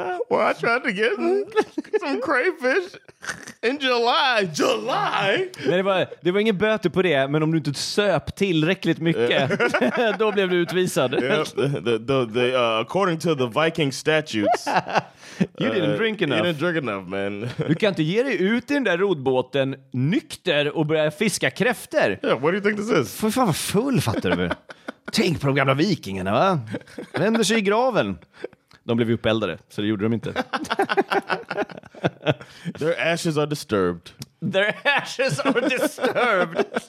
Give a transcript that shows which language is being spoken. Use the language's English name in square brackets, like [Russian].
[English] Well, I tried to get some crayfish in July. July? [Swedish] Nej, det var ingen böter på det, men om du inte söp tillräckligt mycket, då blev du utvisad. [English] According to the Viking statutes... You didn't drink enough. You didn't drink enough, man. [Swedish] Du kan inte ge dig ut i den där rodbåten nykter och börja fiska kräfter. [English] Yeah, what do you think this is? [Swedish] Fan vad full, fattar du? Tänk på de gamla vikingarna, va? Vänder sig i graven. De blev ju uppeldade, så det gjorde de inte. [English] Their ashes are disturbed. Their ashes are disturbed.